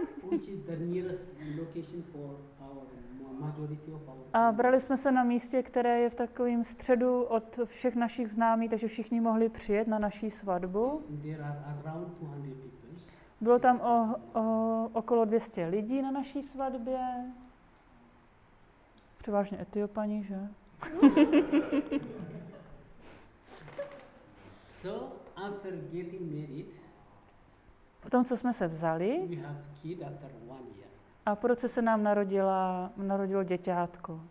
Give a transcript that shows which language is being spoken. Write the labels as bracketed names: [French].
[English] Which is the nearest location for our majority of our. [Czech] A brali jsme se na místě, které je v takovém středu od všech našich známých, takže všichni mohli přijet na naší svatbu. [English] There are around 200 people. [Czech] Bylo tam okolo 200 lidí na naší svatbě. Převážně Etiopani, že? [English] So after getting married. [Czech] Potom co jsme se vzali? [English] We have kid after one year. [Czech] A po roce se nám narodilo děťátko.